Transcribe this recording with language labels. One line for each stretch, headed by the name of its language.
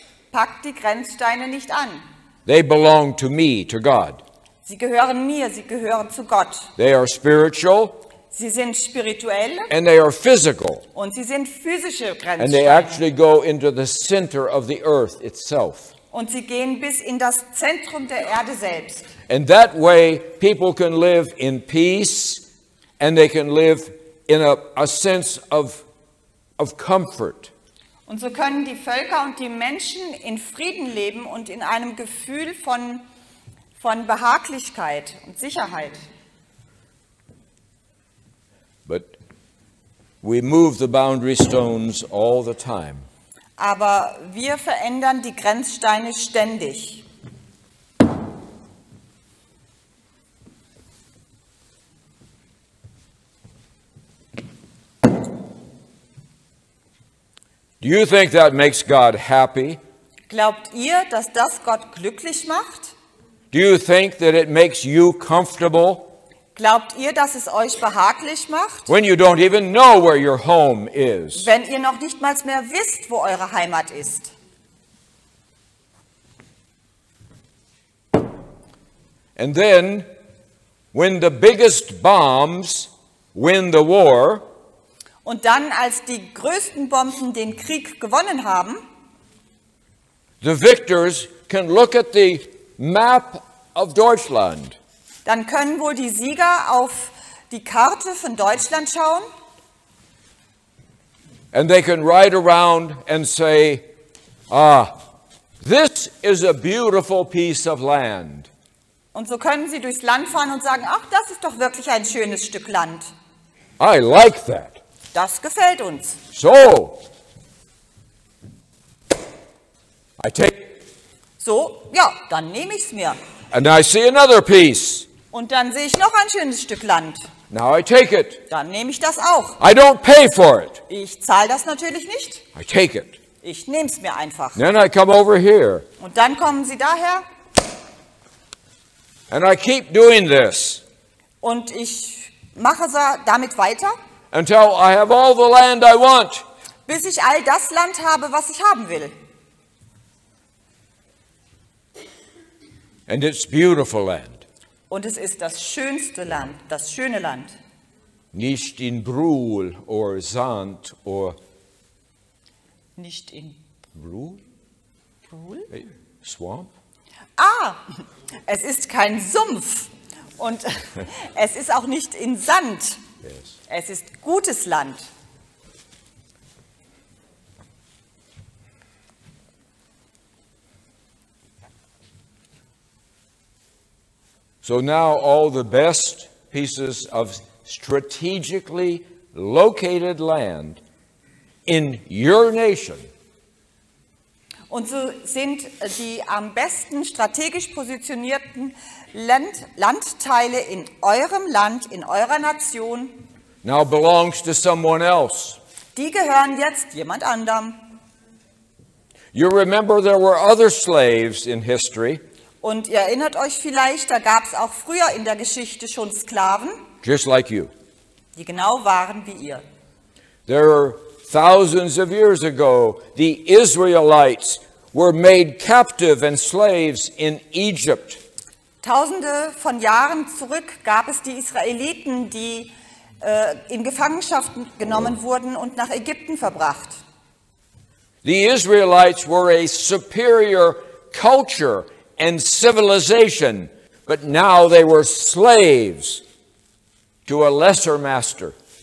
German: Pack die Grenzsteine nicht an.
English: They belong to me, to God.
German: Sie gehören mir, sie gehören zu Gott.
English: They are spiritual.
German: Sie sind spirituell.
English: And they are physical.
German: Und sie sind physische Grenzsteine.
English: And they actually go into the center of the earth itself.
German: Und sie gehen bis in das Zentrum der Erde selbst.
English: And that way people can live in peace and they can live in a sense of comfort.
German: Und so können die Völker und die Menschen in Frieden leben und in einem Gefühl von Behaglichkeit und Sicherheit.
English: But we move the boundary stones all the time.
German: Aber wir verändern die Grenzsteine ständig.
English: Do you think that makes God happy?
German: Glaubt ihr, dass das Gott glücklich macht?
English: Do you think that it makes you comfortable?
German: Glaubt ihr, dass es euch behaglich macht?
English: When you don't even know where your home is.
German: Wenn ihr noch nicht mal mehr wisst, wo eure Heimat ist.
English: And then, when the biggest bombs win the war,
German: und dann, als die größten Bomben den Krieg gewonnen haben,
English: the victors can look at the map of Deutschland.
German: Dann können wohl die Sieger auf die Karte von Deutschland schauen.
English: And they can ride around and say, ah, this is a beautiful piece of land.
German: Und so können sie durchs Land fahren und sagen, ach, das ist doch wirklich ein schönes Stück Land.
English: I like that.
German: Das gefällt uns.
English: So. I take.
German: So, ja, dann nehme ich's mir.
English: And I see another piece.
German: Und dann sehe ich noch ein schönes Stück Land.
English: Now I take it.
German: Dann nehme ich das auch.
English: I don't pay for it.
German: Ich zahle das natürlich nicht.
English: I take it.
German: Ich nehme es mir einfach.
English: Then I come over here.
German: Und dann kommen Sie daher.
English: And I keep doing this.
German: Und ich mache damit weiter.
English: Until I have all the land I want.
German: Bis ich all das Land habe, was ich haben will.
English: And it's beautiful land.
German: Und es ist das schönste Land, das schöne Land. Nicht in Brühl or Sand or. Nicht in Brühl?
English: Brühl? Swamp?
German: Ah, es ist kein Sumpf. Und es ist auch nicht in Sand. Yes. Es ist gutes Land.
English: So now all the best pieces of strategically located land in your nation.
German: Und so sind die am besten strategisch positionierten Landteile in eurem Land, in eurer Nation.
English: Now belongs to someone else.
German: Die gehören jetzt jemand anderem.
English: You remember there were other slaves in history.
German: Und ihr erinnert euch vielleicht, da gab es auch früher in der Geschichte schon Sklaven.
English: Just like you.
German: Die genau waren wie ihr.
English: There are thousands of years ago, the Israelites were made captive and slaves in Egypt.
German: Tausende von Jahren zurück gab es die Israeliten, die in Gefangenschaft genommen wurden und nach Ägypten verbracht.
English: The Israelites were a superior culture and civilization, but now they were slaves to a lesser master.